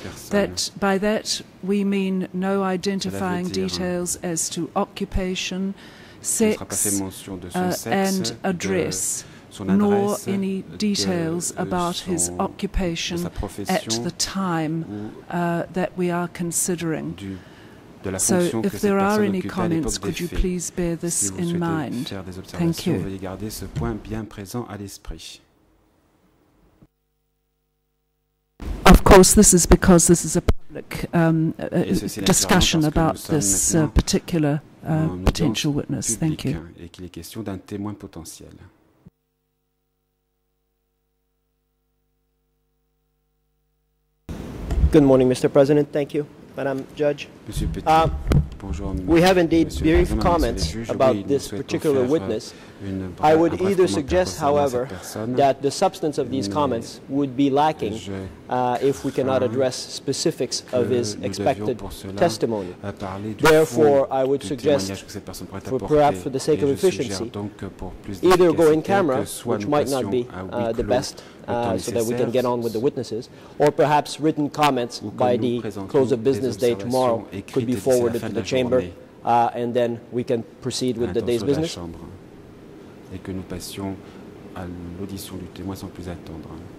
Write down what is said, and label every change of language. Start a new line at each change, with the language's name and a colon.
English: That by that we mean no identifying details as to occupation, sex, and address, nor any details about his occupation at the time that we are considering. So if there are any comments, could you please bear this in mind? Thank you.
French: Veuillez garder ce point bien présent à l'esprit.
English: Of course, this is because this is a public discussion about this particular potential witness. Thank you.
French: Et qu'il est question d'un témoin potentiel.
English: Good morning, Mr. President. Thank you, Madam Judge.
French: Monsieur Petit.
English: We have indeed brief comments about this particular witness. I would either suggest, however, that the substance of these comments would be lacking if we cannot address specifics of his expected testimony. Therefore, I would suggest, for perhaps for the sake of efficiency, either go in camera, which might not be the best, so that we can get on with the witnesses, or perhaps written comments by the close of business day tomorrow could be forwarded to the chamber, and then we can proceed with the day's business.
French: Et que nous passions à l'audition du témoin sans plus attendre.